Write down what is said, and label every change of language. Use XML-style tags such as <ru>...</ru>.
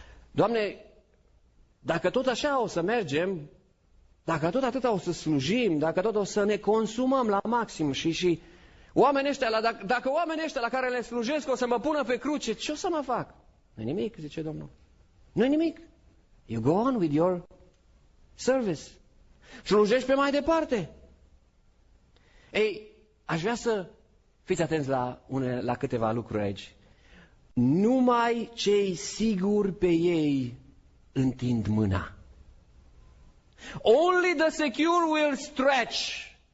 <ro>Doamne, dacă tot așa o să mergem, dacă tot atâta o să slujim, dacă tot o să ne consumăm la maxim și oamenii ăștia, dacă oamenii ăștia la care le slujesc o să mă pună pe cruce, ce o să mă fac? Nu-i nimic, zice Domnul. Nu-i nimic.</ro> <en>You go on with your service.</en> <ro>Slujești pe mai departe. Ei, aș vrea să fiți atenți la câteva lucruri aici. Numai cei siguri pe ei întind mâna.</ro> <en>Only the secure will stretch.</en>